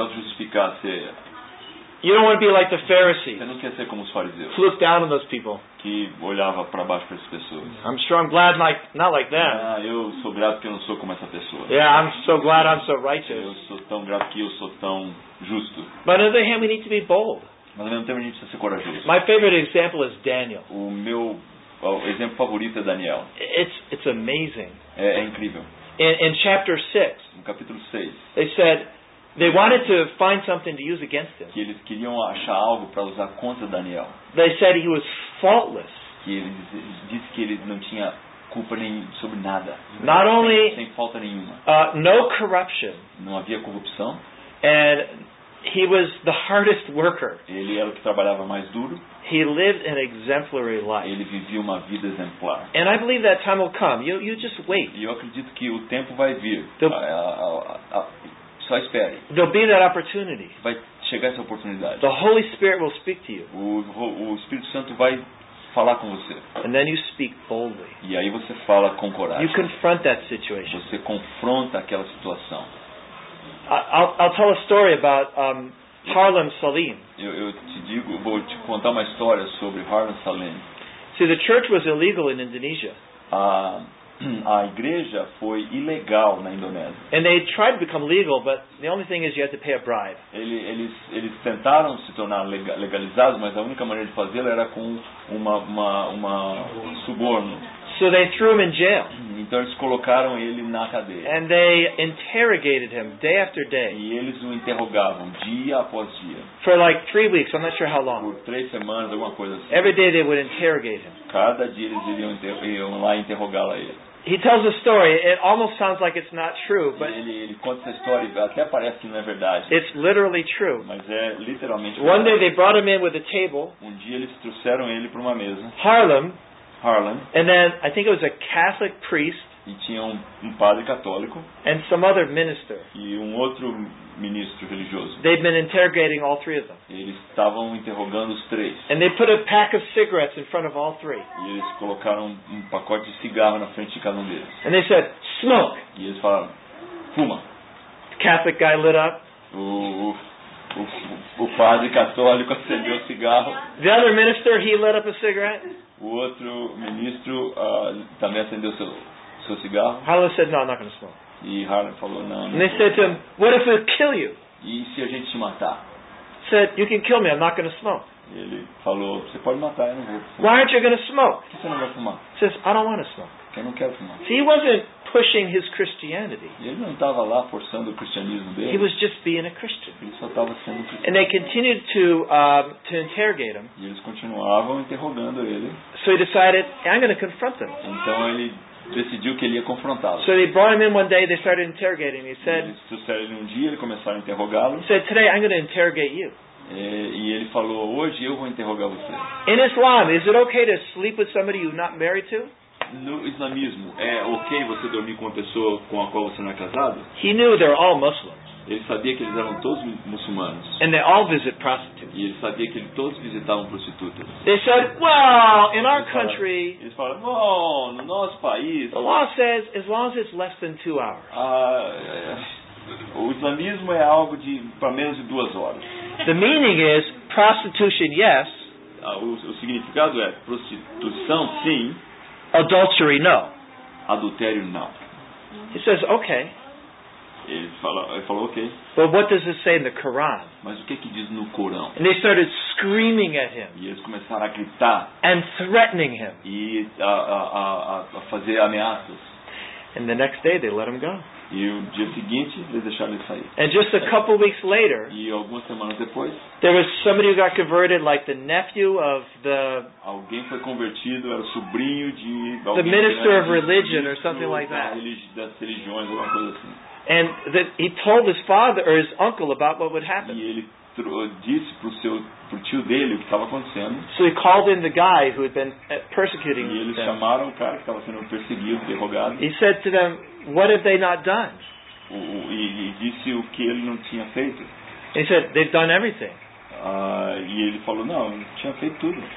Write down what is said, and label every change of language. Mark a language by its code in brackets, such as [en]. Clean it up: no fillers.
[en] You don't want to be like the Pharisees. [pt] Você não quer ser como os fariseus. [en] To look down on those people. [pt] Que olhava para baixo para essas pessoas. [en] I'm sure I'm glad like not like them. [pt] Ah, eu sou grato que eu não sou como essa pessoa. [en] Yeah, I'm so glad I'm so righteous. [pt] Eu sou tão grato que eu sou tão justo. [en] But on the other hand, we need to be bold. [pt] Mas ao mesmo tempo, a gente precisa ser corajoso. [en] My favorite example is Daniel. [pt] O exemplo favorito é Daniel. [en] It's amazing. [pt] É incrível. [en] In chapter 6. [pt] No capítulo 6. [en] They said they wanted to find something to use against him. [pt] Que eles queriam achar algo para usar contra Daniel. [en] They said he was faultless. [pt] Que eles disse que ele não tinha culpa nem sobre nada. [en] Not [pt] sem, [en] only [pt] sem falta nenhuma. [en] No corruption. [pt] Não havia corrupção. [en] And he was the hardest worker. [pt] Ele era o que trabalhava mais duro. [en] He lived an exemplary life. [pt] Ele vivia uma vida exemplar. [en] And I believe that time will come. You just wait. [pt] E eu acredito que o tempo vai vir. Só espere. [en] There'll be that opportunity. [pt] Vai chegar essa oportunidade. [en] The Holy Spirit will speak to you. [pt] O Espírito Santo vai falar com você. [en] And then you speak boldly. [pt] E aí você fala com coragem. [en] You confront that situation. [pt] Você confronta aquela situação. [en] I'll tell a story about Harlem Salim. [pt] Eu te digo, vou te contar uma história sobre Harlem Salim. [en] See, the church was illegal in Indonesia. [pt] A igreja foi ilegal na Indonésia. [en] And they tried to become legal, but the only thing is you had to pay a bribe. [pt] Eles tentaram se tornar legalizados, mas a única maneira de fazê-lo era com uma suborno. [en] So they threw him in jail. [pt] Então eles colocaram ele na cadeia. [en] And they interrogated him day after day. [pt] E eles o interrogavam dia após dia. [en] For like 3 weeks, I'm not sure how long. [pt] Por 3 semanas, alguma coisa assim. [en] Every day they would interrogate him. [pt] Cada dia eles iam lá interrogá-lo a ele. [en] He tells a story. It almost sounds like it's not true, but [pt] ele conta essa história, até parece que não é verdade. [en] It's literally true. [pt] Mas é literalmente verdade. [en] One day they brought him in with a table. [pt] Um dia eles trouxeram ele para uma mesa. [en] Harlem. And then I think it was a Catholic priest. [pt] E tinha um padre católico. [en] And some other minister. [pt] E outro ministro religioso. [en] They'd been interrogating all three of them. [pt] Eles estavam interrogando os três. [en] And they put a pack of cigarettes in front of all three. [pt] E eles colocaram um pacote de cigarro na frente de cada um deles. [en] And they said, "Smoke." [pt] E eles falaram, "Fuma." [en] The Catholic guy lit up. [pt] O padre católico acendeu o cigarro. [en] The other minister, he lit up a cigarette. [pt] O outro ministro também acendeu seu cigarro. [en] Harlan said, "No, I'm not going to smoke." [pt] E Harlan falou, "Não." [en] And they said to him, "What if we kill you?" [pt] E se a gente te matar? [en] Said, "You can kill me. I'm not going to smoke." [pt] E ele falou, "Você pode matar, eu não vou fumar." [en] "Why aren't you going to smoke?" [pt] Por que você não vai fumar? [en] Says, "I don't want to smoke." [pt] Porque eu não quero fumar. [en] See, he wasn't pushing his Christianity. [pt] E ele não estava lá forçando o cristianismo dele. [en] He was just being a Christian. [pt] Ele só estava sendo cristão. [en] And they continued to interrogate him. [pt] E eles continuavam interrogando ele. [en] So he decided, "I'm going to confront them." [pt] Então ele decidiu que ele ia confrontá-lo. [en] So they brought him in one day. They started interrogating him. He said, [pt] "Eles trouxeram ele um dia. Eles começaram a interrogá-lo." [en] He said, "Today I'm going to interrogate you." [pt] E ele falou, "Hoje eu vou interrogar você." [en] In Islam, is it okay to sleep with somebody you're not married to? [pt] No islamismo, é ok você dormir com uma pessoa com a qual você não é casado? [en] He knew they're all Muslims. [pt] Ele sabia que eles eram todos muçulmanos. [en] And they all visit prostitutes. [pt] E ele sabia que eles todos visitavam prostitutas. [en] They said, "Well, in our country." [pt] Eles falaram, "Bom, no nosso país." [en] The law says, as long as it's less than 2 hours. [pt] O islamismo é algo de para menos de 2 horas. [en] The meaning is prostitution, yes. [pt] O significado é prostituição, sim. [en] Adultery, no. [pt] Adultério, não. [en] He says, "Okay." [pt] Ele falou, okay. [en] But what does it say in the Quran? [pt] Mas o que é que diz no Corão? [en] And they started screaming at him. [pt] E eles começaram a gritar. [en] And threatening him. [pt] E a fazer ameaças. [en] And the next day they let him go. [pt] E o dia seguinte eles deixaram ele sair. [en] And just a couple weeks later. [pt] E algumas semanas depois. [en] There was somebody who got converted, like the nephew of the. [pt] Alguém foi convertido, era sobrinho de. [en] The minister of religion or something like that. [pt] Das religiões, alguma coisa assim. [en] And that he told his father or his uncle about what would happen. [pt] E ele disse pro tio dele o que estava acontecendo. [en] So he called in the guy who had been persecuting them. [pt] E eles chamaram o cara que estava sendo perseguido, interrogado. [en] He said to them, "What have they not done?" [pt] E disse o que ele não tinha feito. [en] He said, "They've done everything." [pt] E ele falou, não, ele tinha feito tudo.